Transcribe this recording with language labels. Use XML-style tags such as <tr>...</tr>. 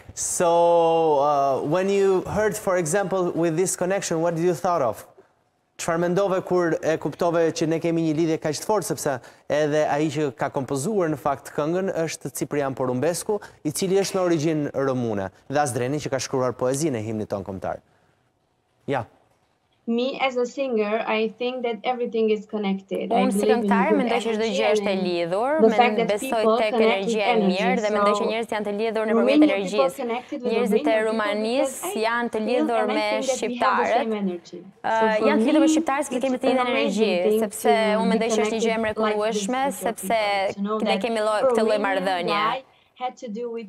<en>So when you heard, for example, with this connection, what did you thought of?</en> <sq>Çfarë mendove kur e kuptove që ne kemi një lidhje kaq të fortë sepse edhe ai që ka kompozuar në fakt këngën është Cyprian Porumbescu, i cili është në origjinë rumune, dhe Asdreni që ka shkruar poezinë e himnit ton kombëtar. Ja.</sq> <en>Me as a singer, I think that everything is connected.</en> <sq>Unë si këngëtare mendoj që çdo gjë është e lidhur, besoj tek energjia e mirë dhe mendoj që njerëzit janë të lidhur nëpërmjet energjisë. Njerëzit e Rumanisë janë të lidhur me shqiptarët. Janë të lidhur me shqiptarët sepse kemi të njëjtën energji, sepse unë mendoj që është një gjë e mrekullueshme sepse ne kemi këtë lloj marrëdhënie.</sq>